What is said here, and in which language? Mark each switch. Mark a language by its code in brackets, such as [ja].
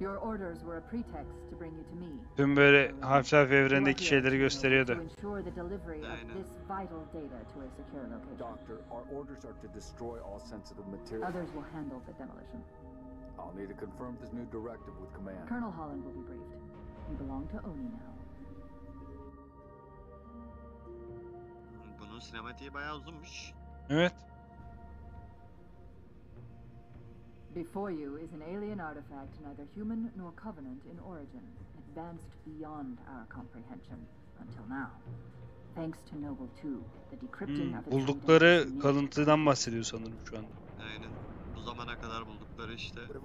[en] Your orders were a pretext to bring you to me. [tr] Tüm böyle Half-Life evrendeki şeyleri gösteriyordu. [en] To ensure the delivery of this vital data to a secure location. Doctor, our orders are to destroy all sensitive material. Others will handle the demolition. I'll need to confirm this new directive with command. Colonel Holland will be briefed. You belong to Oni now. [tr] Bunun sinematiği bayağı uzunmuş. Evet. [en] Before you is an alien artifact neither human nor covenant in origin, advanced beyond our comprehension until now. Thanks to Noble 2, the decrypting of the [tr] buldukları kalıntıdan bahsediyor sanırım şu an. Aynen. Bu zamana kadar buldukları işte.